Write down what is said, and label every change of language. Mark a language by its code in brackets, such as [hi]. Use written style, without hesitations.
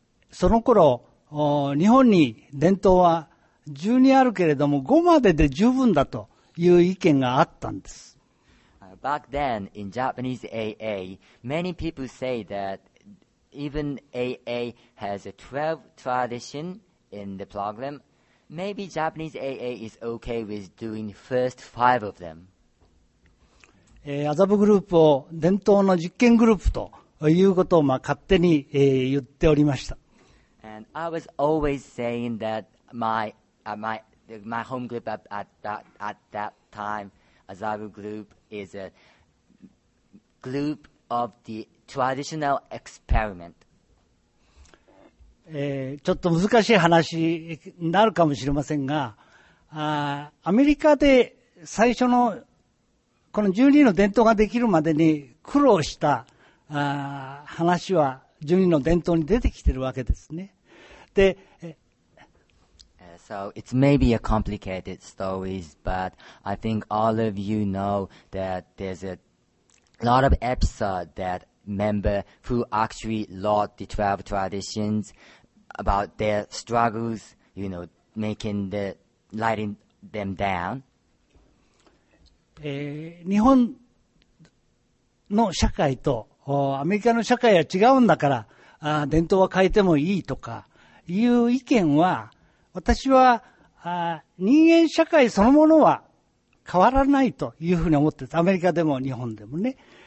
[ja] その頃日本に伝統は12あるけれども5までで十分だという意見があったんです。 [en] Back then, in Japanese AA, many people say that even AA has a 12 tradition in the program, maybe Japanese AA is okay with doing first five of them. [ja] アザブグループを伝統の実験グループということを勝手に言っておりました。 [en] And I was always saying that my home group at that time, Azabu group, is a group of the traditional experiment. [ja] ちょっと難しい話になるかもしれませんが、アメリカで最初のこの12の伝統ができるまでに苦労した話は12の伝統に出てきているわけですね。て、 [en] So it's maybe a complicated story, but I think all of you know that there's a lot of episode that member who actually lost the 12 traditions about their struggles, you know, making the lighting them down. [ja] 日本の社会とアメリカの社会は違うんだから、伝統は変えてもいいとかいう意見は私は人間社会そのものは変わらないというふうに思ってた。アメリカでも日本でもね。